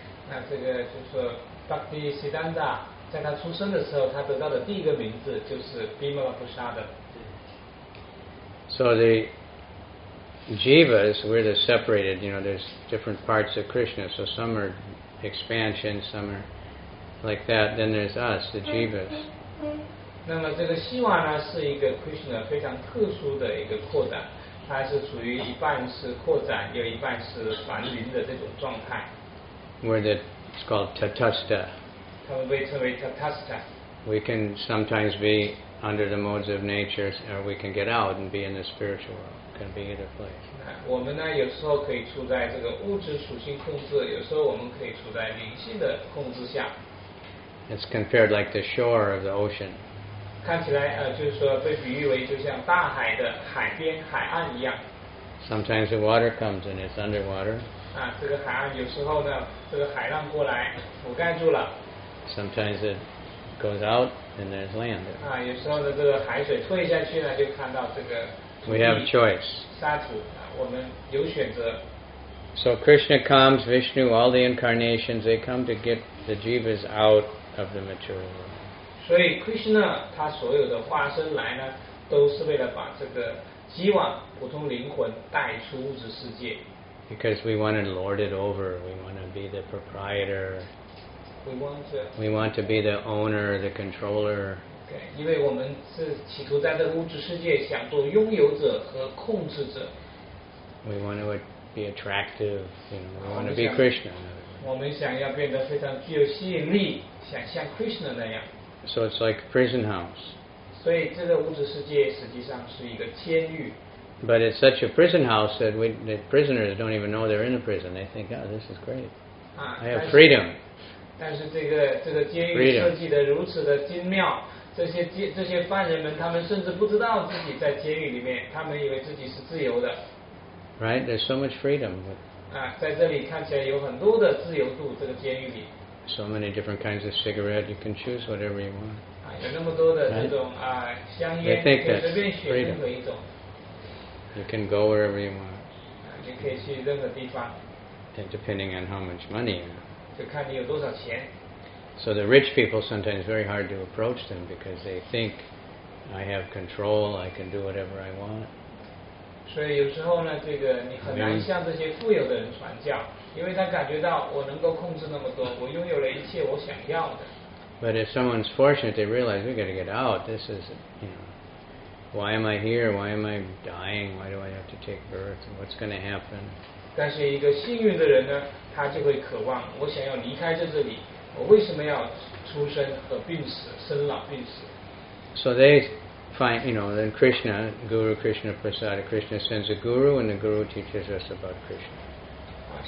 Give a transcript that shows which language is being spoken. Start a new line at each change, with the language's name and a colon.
Chinese: Bhaktisiddhanta. 在他出生的时候，他得到的第一个名字就是 Bhimala Prasada。
English: So the jivas, we're the separated. You know, there's different parts of Krishna. So some are expansion, some are like that. Then there's us, the jivas.
Chinese: 那么这个希望呢，是一个 Krishna 非常特殊的一个扩展，它是处于一半是扩展，又一半是繁云的这种状态。
English: Where it's called Tatastha。
Chinese: 他们被称为 Tatastha。
English: We can sometimes be under the modes of nature, or we can get out and be in the spiritual world. It can be either place.
Chinese: 我们呢，有时候可以处在这个物质属性控制，有时候我们可以处在灵性的控制下。
English: It's compared like the shore of the ocean.
Chinese: 看起来，就是说被比喻为就像大海的海边、海岸一样。
English: Sometimes the water comes and it's underwater.
Chinese: 啊，这个海岸有时候呢，这个海浪过来覆盖住了。
English: Sometimes it goes out and there's land.
Chinese: 啊，有时候呢，这个海水退下去呢，就看到这个。
English: We have a choice.
Chinese: 沙土，我们有选择。
English: So Krishna comes, Vishnu, all the incarnations, they come to get the jivas out of the material world.
Chinese: 所以 Krishna 他所有的化身来呢，都是为了把这个希望普通灵魂带出物质世界。
English: Because we want to lord it over, we want to be the proprietor. We want to be the owner, the controller.
Chinese: Okay, 因为我们是企图在这物质世界想做拥有者和控制者。
English: We want to be attractive, you know, we want to be Krishna.
Chinese: 我们想要变得非常具有吸引力，想像 Krishna 那样。
English: So it's like a prison house.
Chinese: 所以这个物质世界实际上是一个监狱。
English: But it's such a prison house that the prisoners don't even know they're in a prison. They think, oh, this is great. I have freedom.
Chinese: 但是这个监狱设计的如此的精妙，这些犯人们他们甚至不知道自己在监狱里面，他们以为自己是自由的。
English: Right? There's so much freedom.
Chinese: 在这里看起来有很多的自由度，这个监狱里。
English: So many different kinds of cigarette, you can choose whatever you want.
Chinese: 有那么多的这种香烟，可以随便选任何一种。
English: You can go wherever you want.
Chinese: 你可以去任何地方。
English: And depending on how much money you have.
Chinese: 就看你有多少钱。
English: So the rich people sometimes very hard to approach them because they think I have control, I can do whatever I want.
Chinese: 所以有时候呢，这个你很难向这些富有的人传教，因为他感觉到我能够控制那么多，我拥有了一切我想要的。
English: But if someone's fortunate, they realize we've got to get out. This is, you know, why am I here? Why am I dying? Why do I have to take birth? What's going to happen?
Chinese: 但是一个幸运的人呢，他就会渴望，我想要离开这里，我为什么要出生和病死，生老病死？
English: So they find, you know, then Krishna, Guru Krishna Prasada, Krishna sends a guru, and the guru teaches us about Krishna.